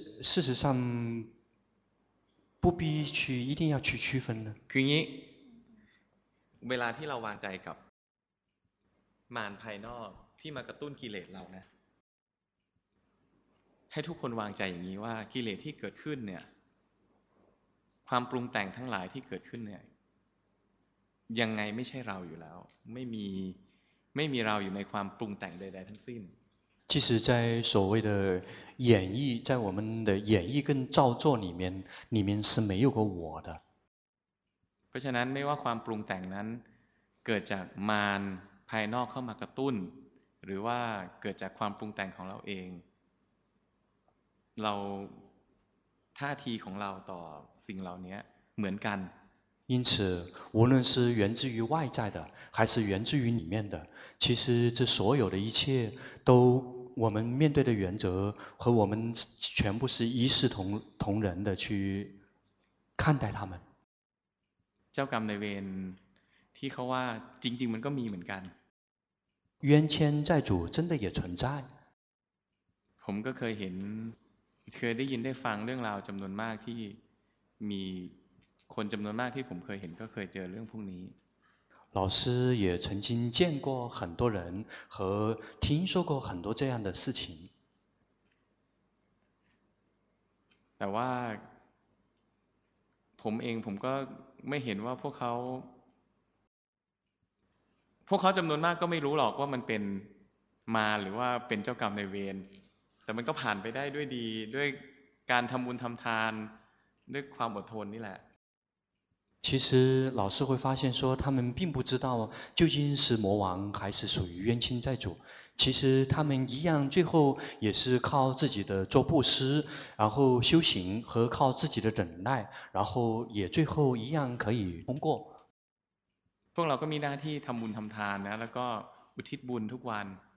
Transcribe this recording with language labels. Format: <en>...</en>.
<zh>事实上不必去一定要去区分的</zh> <th>คืองี้เวลาที่เราวางใจกับมารภายนอกที่มากระตุ้นกิเลสเรานะให้ทุกคนวางใจอย่างนี้ว่ากิเลสที่เกิดขึ้นเนี่ยความปรุงแต่งทั้งหลายที่เกิดขึ้นเนี่ยยังไงไม่ใช่เราอยู่แล้วไม่มีเราอยู่ในความปรุงแต่งใดๆทั้งสิ้น</th> <zh>其实在所谓的演绎在我们的演绎跟造作里面是没有个我的</zh> <th>เพราะฉะนั้นไม่ว่าความปรุงแต่งนั้นเกิดจากมารภายนอกเข้ามากระตุ้นหรือว่าเกิดจากความปรุงแต่งของเราเองเราท่าทีของเราต่อสิ่งเหล่านี้เหมือนกัน</th> <zh>因此无论是源自于外在的还是源自于里面的其实这所有的一切都我们面对的原则和我们全部是一视同仁的去看待他们</zh> <th>เจ้ากรรมนายเวรที่เขาว่าจริงมันก็มีเหมือนกัน</th> <zh>冤亲债主真的也存在</zh> <th>ผมก็เคยได้ยินได้ฟังเรื่องราวจำนวนมากที่มีคนจำนวนมากที่ผมเคยเห็นก็เคยเจอเรื่องพวกนี้</th> <zh>老师也曾经见过很多人和听说过很多这样的事情</zh> <th>แต่ว่าผมเองผมก็ไม่เห็นว่าพวกเขาจำนวนมากก็ไม่รู้หรอกว่ามันเป็นมาหรือว่าเป็นเจ้ากรรมนายเวรแต่มันก็ผ่านไปได้ด้วยดีด้วยการทำบุญทำทานด้วยความอดทนนี่แหละ</th> <zh>其实老师会发现说他们并不知道究竟是魔王还是属于冤亲债主其实他们一样最后也是靠自己的做布施然后修行和靠自己的忍耐然后也最后一样可以通过</zh> <th>พวกเราก็มีหน้าที่ทำบุญทำทานนะแล้วก็อุทิศบุญทุกวัน</th>